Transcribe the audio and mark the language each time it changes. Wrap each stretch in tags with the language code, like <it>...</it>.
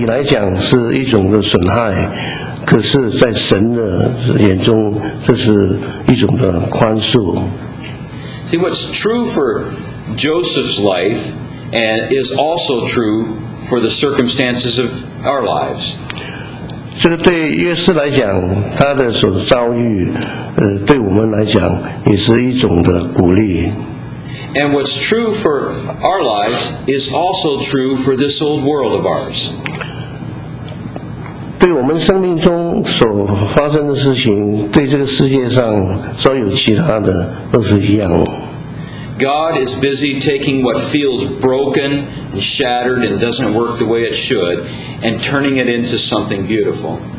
<zh>在对你来讲是一种的损害, 可是在神的眼中这是一种的宽恕。</zh> <en>See, what's true for Joseph's life and is also true for the circumstances of our lives.</en> <zh>这个对约瑟来讲, 他的所遭遇, 对我们来讲也是一种的鼓励。</zh> <en>And what's true for our lives is also true for this old world of ours.</en> <zh>对我们生命中所发生的事情, 对这个世界上所有其他的, 都是一样。</zh> <en>God is busy taking what feels broken and shattered and doesn't work the way it should and turning it into something beautiful.</en>